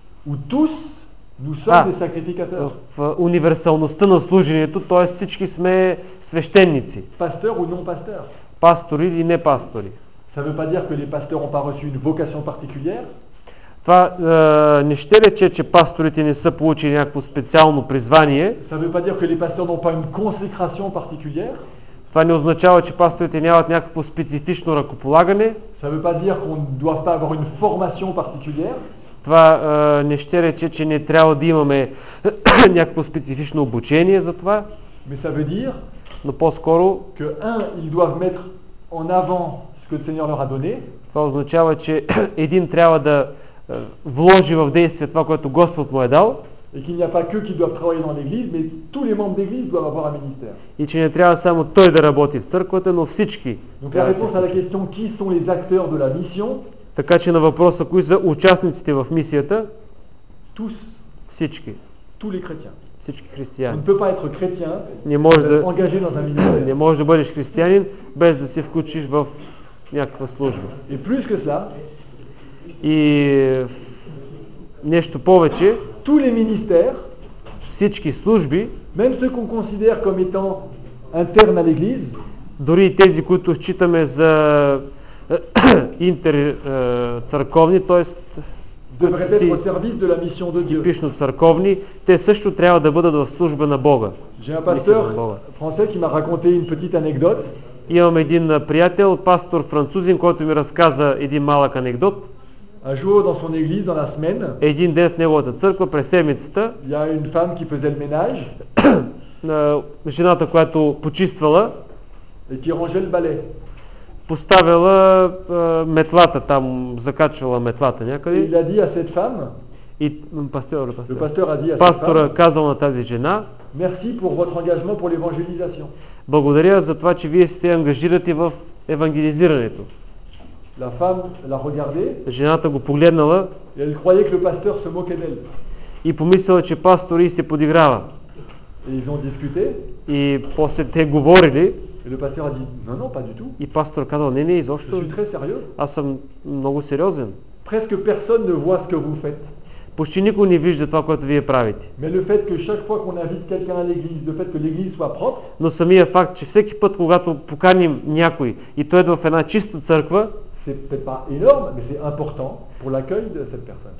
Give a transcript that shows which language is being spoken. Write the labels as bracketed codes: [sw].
[fr] Où tous nous sommes des sacrificateurs. [bg] В универсалността на служението, т.е. всички сме свещеници. [fr] Pasteur ou non pasteur. [bg] Пастори или не пастори. [fr] Ça veut pas dire que les pasteurs ont pas reçu une vocation particulière. [bg] Това не ще рече, че пасторите не са получили някакво специално призвание. [fr] Ça veut pas dire que les pasteurs n'ont pas une consécration particulière. [bg] Това не означава, че пасторите нямат някакво специфично ръкополагане. [fr] Ça veut pas dire qu'on doit pas avoir une formation particulière. [bg] Това не ще рече, че не трябва да имаме някакво специфично обучение за това. [fr] Mais ça veut dire, [bg] но по-скоро, [fr] que un, ils doivent mettre en avant ce que le Seigneur leur a donné. [bg] Това означава, че един трябва да вложи в действие това, което Господ му е дал. [fr] Et qu'il n'y a pas que qui doivent travailler dans l'église, mais tous les membres d'église doivent avoir un ministère. [bg] И че не трябва само той да работи в църквата, но всички. [fr] Donc la réponse à la question qui sont les acteurs de la mission? [bg] Така че на въпроса кои са участниците в мисията? [fr] Tous. [bg] Всички. [fr] Tous les chrétiens. [bg] Всички християни. [fr] Tu ne peux pas être chrétien. [bg] Не може да ангажи на заминиране. Не може да бъдеш християнин без да се включиш в някаква служба. [fr] Et plus que cela? [bg] И нещо повече, [fr] tous les ministères, [bg] всички служби, [fr] même ceux qu'on considère comme étant internes à l'église, [bg] дори тези, които считаме за интер църковни, тоест [fr] devraient être au service de la mission de Dieu. [bg] Типично църковни, те също трябва да бъдат в служба на Бога. [fr] J'ai un pasteur français qui m'a raconté une petite anecdote. [bg] Имам един приятел, пастор французин, който ми разказа един малък анекдот. [fr] Un jour dans son église dans la semaine. [bg] Един ден в неговата църква през седмицата. [fr] Il y a une femme qui faisait le ménage. [bg] Жената, която почиствала. [fr] Et qui rangeait le balai. [bg] Поставила метлата там, закачвала метлата някъде. [fr] Il a dit à cette femme. [bg] И пастор. [fr] Le pasteur a dit à [bg] пастора [fr] cette femme, [bg] казал на тази жена. [fr] Merci pour votre engagement pour l'évangélisation. [bg] Благодаря за това, че вие сте ангажирате в евангелизирането. [fr] La femme l'a regardé. [bg] Жената го погледнала. [fr] Et elle croyait que le pasteur se moquait d'elle. [bg] И помислила, че пастор и се подиграва. [fr] Et ils ont discuté. [bg] И после те говорили. [fr] Et le pasteur a dit: "Non, non, pas du tout." [bg] И пастор казал: "Не, не, изобщо." [fr] Je suis très sérieux. [bg] Аз съм много сериозен. [fr] Presque personne ne voit ce que vous faites. [bg] Почти никой не вижда това, което вие правите. [fr] Mais le fait que chaque fois qu'on invite quelqu'un à l'église, le fait que l'église soit propre. [bg] Но самия факт, че всеки път, когато поканим някой и той идва в една чиста църква, [fr] c'est peut-être pas énorme, mais c'est important pour l'accueil de cette personne.